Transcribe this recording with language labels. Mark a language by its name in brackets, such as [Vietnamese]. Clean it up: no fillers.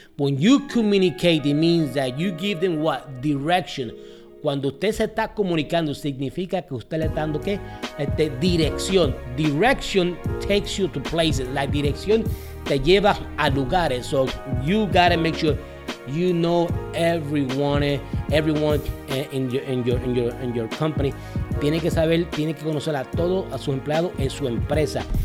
[English] When you communicate, it means that you give them what? Direction. [Spanish] Cuando usted se está comunicando, significa que usted le está dando ¿qué? Dirección. [English] Direction takes you to places. [Spanish] La dirección te lleva a lugares. [English] So you gotta make sure you know everyone in your company. [Spanish] Tiene que saber, tiene que conocer a todos a sus empleados en su empresa.